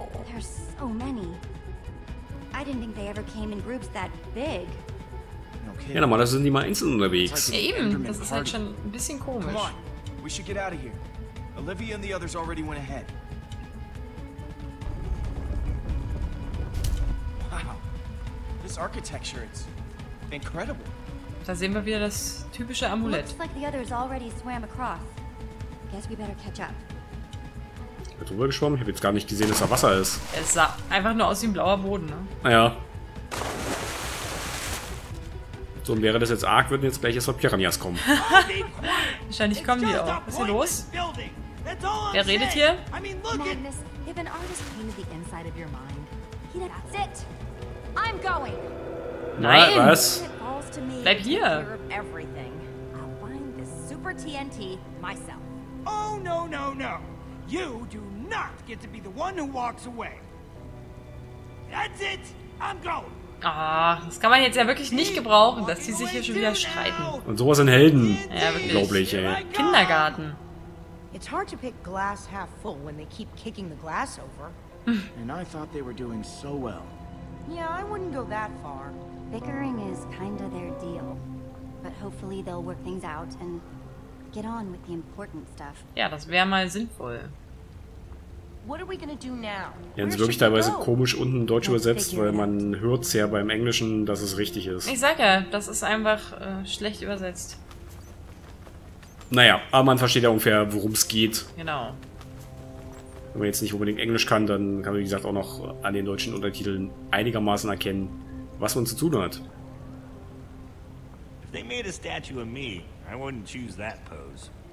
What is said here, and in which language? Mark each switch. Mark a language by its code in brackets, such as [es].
[en] There's so many. I didn't think they ever came in groups that big. No [de] Ja, normalerweise sind die mal einzeln unterwegs. Ja, eben, das ist halt schon ein bisschen komisch. Komm, wir sollten aus hier gehen. Olivia und die anderen sind bereits vorher. Wow, diese Architektur ist incredible. Da sehen wir wieder das typische Amulett. [en] Looks like the others already swam across. [de] Guess we better catch up. Bin drüber geschwommen? Ich hab jetzt gar nicht gesehen, dass da Wasser ist. Es sah einfach nur aus wie ein blauer Boden, ne? Naja. So, und wäre das jetzt arg, würden jetzt gleich erstmal Piranhas kommen. Wahrscheinlich kommen die auch. Was ist hier los? Wer redet hier? [en] Madness, if an artist painted the inside of your mind, that's it. I'm going. [de] Nein, was? Bleib hier. [en] I'll find the super TNT myself. Oh no, no, no. You do not get to be the one who walks away. That's it. I'm going. [de] Ah, das kann man jetzt ja wirklich nicht gebrauchen, dass die sich hier schon wieder streiten. Und sowas sind Helden. Ja, wirklich. Unglaublich, ey. Kindergarten. [en] It's hard to pick glass half full when they keep kicking the glass over. And I thought they were doing so well. Yeah, I wouldn't go that far. Bickering is kind of their deal. But hopefully they'll work things out and get on with the important stuff. [de] Ja, das wäre mal sinnvoll. [en] What are we gonna do now? [de] Ja, sind wirklich teilweise komisch unten deutsch übersetzt, weil man hört's ja beim Englischen, dass es richtig ist. Ich sag ja, das ist einfach schlecht übersetzt. Naja, aber man versteht ja ungefähr, worum es geht. Genau. Wenn man jetzt nicht unbedingt Englisch kann, dann kann man, wie gesagt, auch noch an den deutschen Untertiteln einigermaßen erkennen, was man zu tun hat. [en] If they made a statue of me, I wouldn't choose that pose.